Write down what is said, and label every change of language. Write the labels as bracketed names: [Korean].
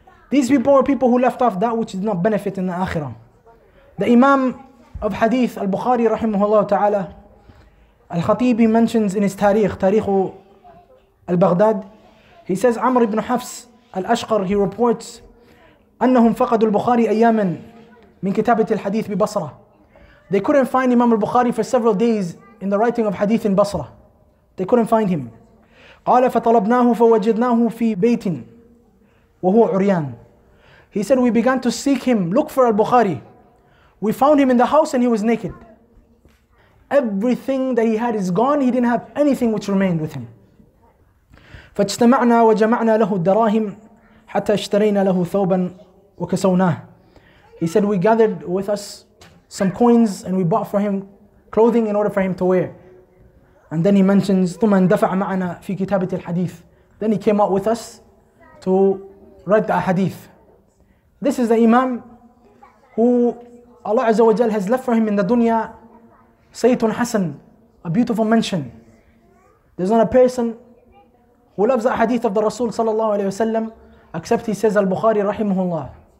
[English] These people were people who left off that which did not benefit in the akhirah. The Imam of Hadith al-Bukhari rahimahullah ta'ala, al-Khatibi mentions in his tariq al-Baghdad, he says Amr ibn Hafs al-Ashqar, he reports [Arabic] أنهم فقدوا البخاري أياما من كتابة الحديث ببصرة. [English] They couldn't find Imam al-Bukhari for several days in the writing of hadith in Basra. They couldn't find him. [Arabic] قال فطلبناه فوجدناه في بيت وهو عريان. [English] He said we began to seek him, look for al-Bukhari. We found him in the house and he was naked. Everything that he had is gone. He didn't have anything which remained with him. [Arabic] فاجتمعنا وجمعنا له الدراهم حتى اشترينا له ثوبا وكسوناه. [English] He said we gathered with us some coins and we bought for him clothing in order for him to wear. And then he mentions [Arabic] ثم اندفع معنا في كتابة الحديث. [English] Then he came out with us to write the hadith. This is the Imam who Allah Azza wa Jal has left for him in the dunya, Sayyidun Hasan, a beautiful mention. There's not a person who loves the hadith of the Rasul sallallahu alayhi wasallam except he says al-Bukhari rahimahullah.